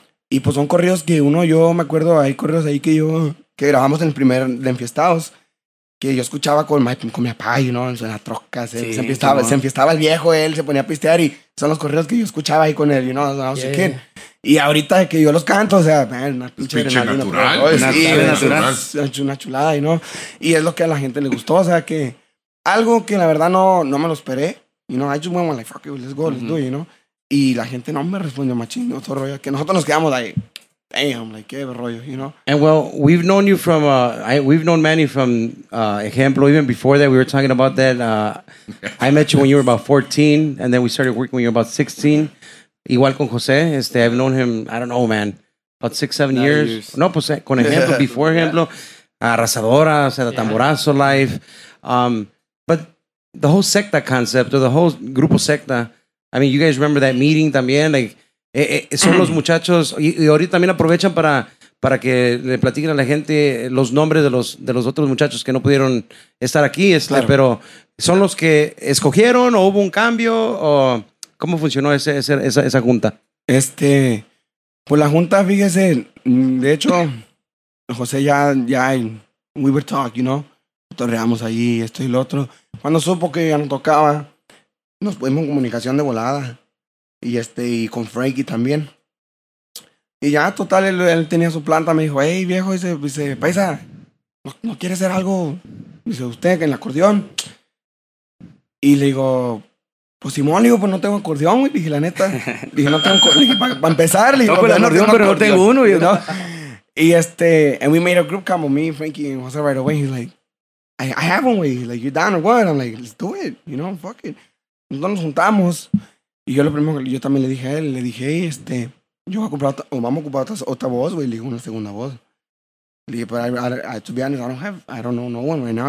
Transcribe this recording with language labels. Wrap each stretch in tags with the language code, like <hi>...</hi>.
<es>Y pues son corridos que yo me acuerdo, hay corridos ahí que grabamos en el primer de Enfiestados, que yo escuchaba con mi papá, you know, en la troca, se enfiestaba el viejo, él se ponía a pistear y son los corridos que yo escuchaba ahí con él,</es> <en>you know, I was a kid.</en> <es>Y ahorita que yo los canto, o sea, man, una pinche natural, chulada,</es> <en>you know?</en> <es>Y es lo que a la gente le gustó, o sea, que algo que la verdad no me lo esperé.</es> <en>You know, I just went like, fuck it, let's go, let's do it, you know?</en> <es>Y la gente no me respondió, machín, no, todo rollo. Que nosotros nos quedamos ahí,</es> <en>damn, like,</en> <es>qué rollo, you know?</es> <en>And well, we've known you from, we've known Manny from, ejemplo, even before that, we were talking about that. I met you when you were about 14, and then we started working when you were about 16.</en> <es>Igual con José,</es> <en>I've known him, I don't know, man, about 6-7 years.</en> <es>No, pues, con ejemplo, before ejemplo, Arrasadora, o sea, Tamborazo Life.</es> <en>The whole Sekta concept, or the whole Grupo Sekta, I mean, you guys remember that meeting</en> <es>también, like, son los muchachos, y ahorita también aprovechan para que le platiquen a la gente los nombres de los otros muchachos que no pudieron estar aquí, claro. Pero son los que escogieron, o hubo un cambio, o ¿cómo funcionó esa junta? Pues la junta, fíjese, de hecho, José ya,</es> <en>we were talking, you know?</en> <es>Torreamos ahí, esto y lo otro. Cuando supo que ya no tocaba, nos pusimos en comunicación de volada. Y con Frankie también. Y ya, total, él tenía su planta. Me dijo, hey, viejo, dice, paisa, ¿no quiere hacer algo? Dice, usted, en el acordeón. Y le digo, pues Simón, digo, pues no tengo acordeón. Y dije, la neta, dije, no tengo acordeón. Para empezar, le digo, pero no tengo acordeón. Pero no tengo uno.</es> <en>Y and we made a group combo, me, Frankie, and José right away. He's like, I have one, güey. Like, you're down or what? I'm like, let's do it. You know, fuck it.</en> <es>Entonces nos juntamos. Y yo lo primero que yo también le dije a él, le dije, hey, este, yo voy a ocupar, o vamos a ocupar otra voz, güey. Le dije, una segunda voz. Le dije, pero,</es> <en>to be honest, I don't know no one right now.</en>